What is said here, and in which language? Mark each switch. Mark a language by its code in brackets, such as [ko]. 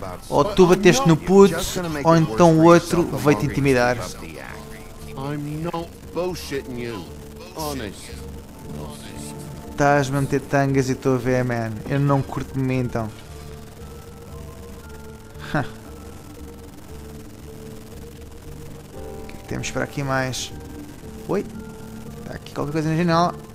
[pt] Ou tu bateste no puto, ou então o outro veio-te intimidar. [en] I'm not bullshitting you. Honest. [pt] Estás-me a meter tangas e estou a ver, man. Eu não curto de mim, então. O que é que temos para aqui mais? Oi? Está aqui qualquer coisa na janela.